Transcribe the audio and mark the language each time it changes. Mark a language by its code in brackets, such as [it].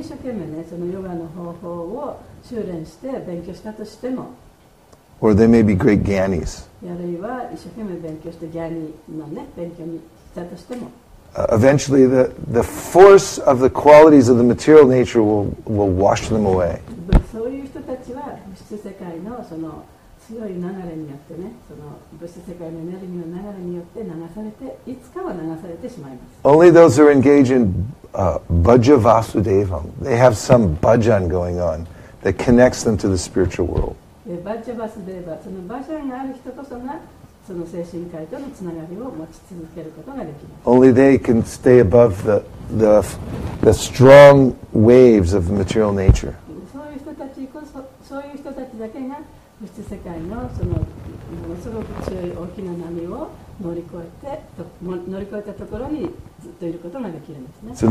[ja] ても、ね、そのヨガの方法を修練して勉強したとしても [en] Or they may be great gyanis. [ja] あるいは一生懸命勉強してギャニの、ね、勉強にしたとしても、 [en] Eventually the force of the qualities of the material nature will wash them away. [ja] そういう人たちは物質世界のその強い流れによってね、その物質世界のエネルギーの流れによって流されて、いつかは流されてしまいます。 [en] Only those who are engaged in bhaja vasudevam, they have some bhajan going on that connects them to the spiritual world. [ja] Bhaja vasudeva, そのバジャンがある人こそが、その精神界とのつながりを持ち続けることができます。 [en] Only they can stay above the strong waves of material nature. [ja] そういう人たちだけが物質世界のそのものすごく強い大きな波を乗り越えたところにずっといることができるんですね。